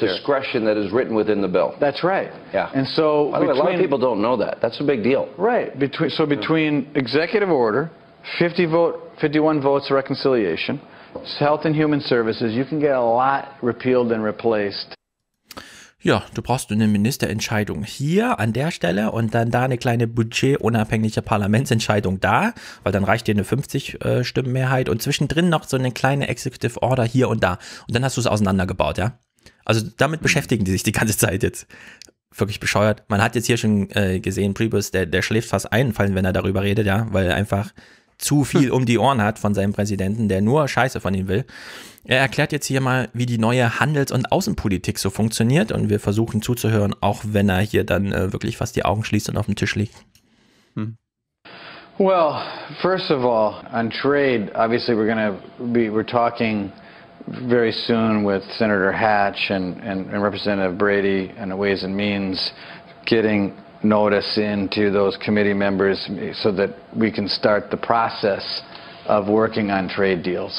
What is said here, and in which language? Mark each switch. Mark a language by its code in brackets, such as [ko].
[en] there's discretion that is written within the bill. That's right. Yeah. And so a lot of people don't know that. That's a big deal. Right. Between executive order, 51 votes reconciliation, Health and Human Services, you can get a lot repealed and replaced. [de] Ja, du brauchst eine Ministerentscheidung hier an der Stelle und dann da eine kleine budgetunabhängige Parlamentsentscheidung da, weil dann reicht dir eine 50-Stimmen-Mehrheit und zwischendrin noch so eine kleine Executive Order hier und da. Und dann hast du es auseinandergebaut, ja? Also damit beschäftigen die sich die ganze Zeit jetzt. Wirklich bescheuert. Man hat jetzt hier schon gesehen, Priebus, der schläft fast einfallen, wenn er darüber redet, ja, weil er einfach zu viel um die Ohren hat von seinem Präsidenten, der nur Scheiße von ihm will. Er erklärt jetzt hier mal, wie die neue Handels- und Außenpolitik so funktioniert und wir versuchen zuzuhören, auch wenn er hier dann wirklich fast die Augen schließt und auf dem Tisch liegt. [en] Well, first of all, on trade, obviously we're going to be, we're talking very soon with Senator Hatch and Representative Brady and the Ways and Means getting notice into those committee members so that we can start the process of working on trade deals.